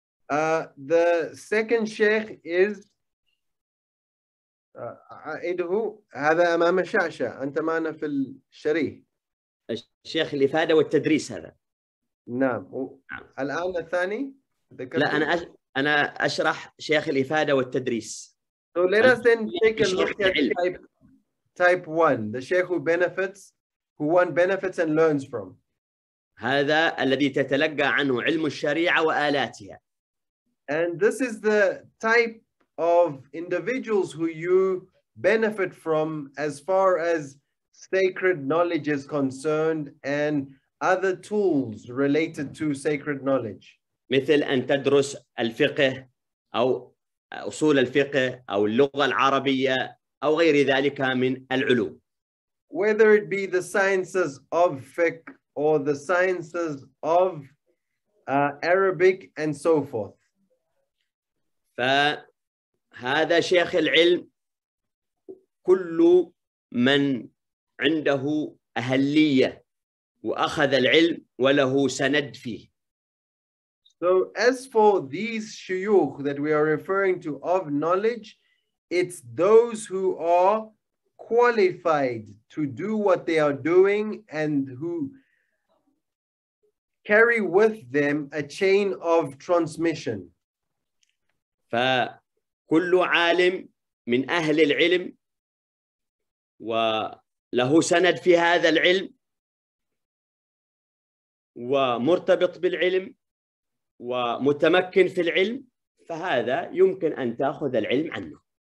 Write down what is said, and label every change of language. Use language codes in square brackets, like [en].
[en] The second sheikh is [ar] أعيده هذا أمام الشاشة أنت معنا في الشريح الشيخ الإفادة والتدريس هذا نعم الآن الثاني لا أنا أشرح شيخ الإفادة والتدريس [en] So let us then take a look at type one the sheikh who one benefits and learns from [ar] هذا الذي تتلقى عنه علم الشريعة وآلاتها [en] and this is the type of individuals who you benefit from as far as sacred knowledge is concerned and other tools related to sacred knowledge. [ar] مثل أن تدرس الفقه أو أصول الفقه أو اللغة العربية أو غير ذلك من العلوم. [en] Whether it be the sciences of fiqh or the sciences of Arabic and so forth. [ar] هذا شيخ العلم كل من عنده أهلية وأخذ العلم وله سند فيه. [en] So as for these shuyukh that we are referring to of knowledge, it's those who are qualified to do what they are doing and who carry with them a chain of transmission. [ar] كل عالم من أهل العلم وله سند في هذا العلم ومرتبط بالعلم ومتمكن في العلم فهذا يمكن أن تأخذ العلم عنه.